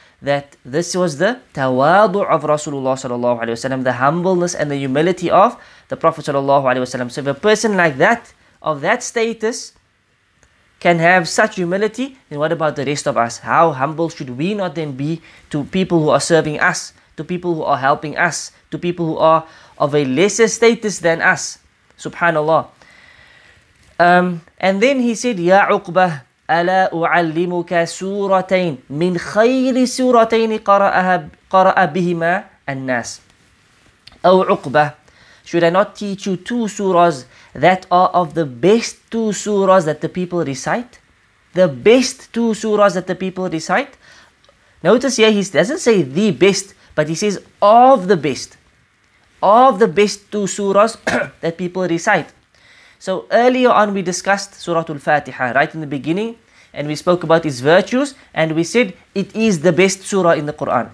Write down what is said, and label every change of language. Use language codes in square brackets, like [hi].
[en] That this was the tawadu of Rasulullah sallallahu alayhi wa sallam, the humbleness and the humility of the Prophet sallallahu alayhi wa sallam. So if a person like that, of that status, can have such humility, then what about the rest of us? How humble should we not then be to people who are serving us, to people who are helping us, to people who are of a lesser status than us? Subhanallah. And then he said, [ar] Ya Uqbah, ألا أعلمك سورتين من خير سورتين قرأ بهما الناس أو عقبة. [en] Should I not teach you two surahs that are of the best two surahs that the people recite? The best two surahs that the people recite. Notice here, he doesn't say the best, but he says of the best. Of the best two surahs that people recite. So earlier on we discussed Suratul Fatiha, right in the beginning, and we spoke about its virtues, and we said it is the best surah in the Quran.